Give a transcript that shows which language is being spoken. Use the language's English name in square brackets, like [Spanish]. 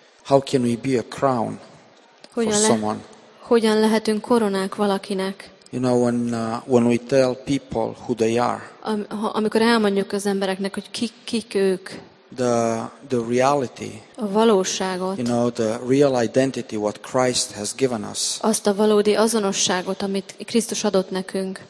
[English] How can we be a crown for someone? [Hungarian] Hogyan lehetünk koronák valakinek? [English] You know when we tell people who they are. [Hungarian] Amikor elmondjuk az embereknek, hogy kik ők. [English] The reality, [Hungarian] a valóságot, [English] you know, the real identity what Christ has given us, [Hungarian] azt a valódi azonosságot, amit Krisztus adott nekünk.